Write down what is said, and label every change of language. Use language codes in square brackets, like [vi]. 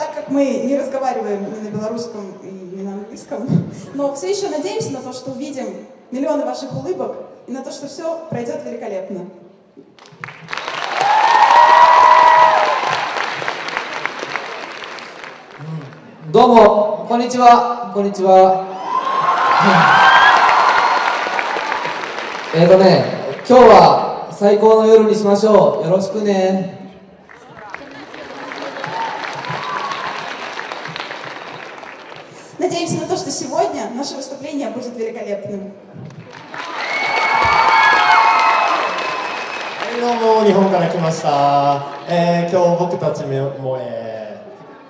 [ru] Мы не разговариваем ни на белорусском, ни на английском, но все еще надеемся на то, что увидим миллионы ваших улыбок и на то, что все пройдет великолепно. [ja] Домо, конничева, конничева. Это, 今日は最高の夜にしましょう。よろしくね。 [ru] Надеемся на то, что сегодня наше выступление будет великолепным. [en] Hello, I'm from Japan. Today, I'm going to have a great time with you.